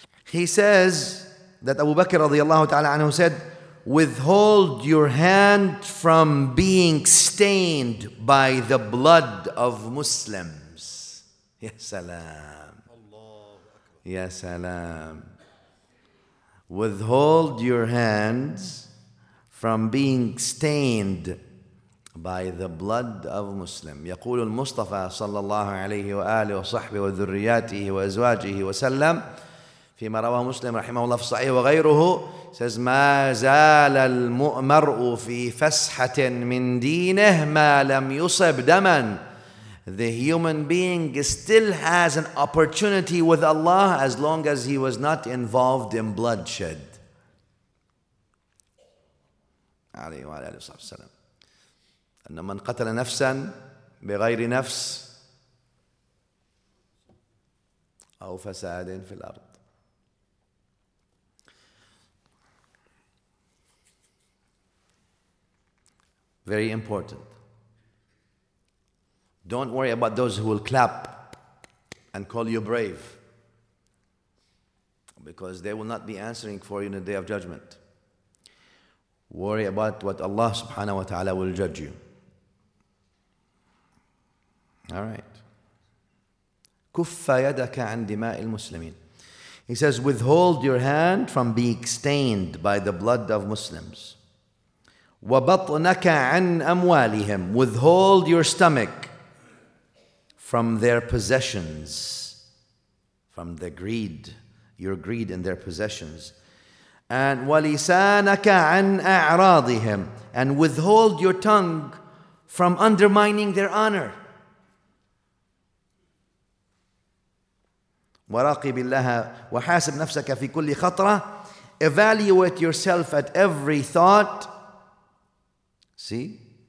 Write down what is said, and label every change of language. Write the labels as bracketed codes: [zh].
[en] He says that Abu Bakr radiallahu ta'ala anhu said, withhold your hand from being stained by the blood of Muslims. Ya salam. Ya salam. Withhold your hands from being stained by the blood of Muslim. [ar] يقول المصطفى صلى الله عليه وآله وصحبه وذرياته وأزواجه وسلم فيما رواه مسلم رحمه الله في الصحيح وغيره says ما زال المرء في فسحة من دينه ما لم يصب دما. [en] The human being still has an opportunity with Allah as long as he was not involved in bloodshed. [ar] عليه وعلى آله وصحبه وسلم. أن من قتل نفسا بغير نفس أو فساد في الأرض. [en] Very important. Don't worry about those who will clap and call you brave, because they will not be answering for you in the day of judgment. Worry about what Allah subhanahu wa ta'ala will judge you. All right. [ar] كُفَّ يَدَكَ عَنْ دِمَاءِ الْمُسْلِمِينَ. [en] He says, withhold your hand from being stained by the blood of Muslims. [ar] وَبَطْنَكَ عَنْ أَمْوَالِهِمْ. [en] Withhold your stomach from their possessions, from the greed, your greed in their possessions. [ar] And وَلِسَانَكَ عَنْ أَعْرَاضِهِمْ. [en] And withhold your tongue from undermining their honor. [ar] وَرَاقِبِ اللَّهَ وَحَاسِبْ نَفْسَكَ فِي كُلِّ خَطْرَةٍ. [en] Evaluate yourself at every thought. See?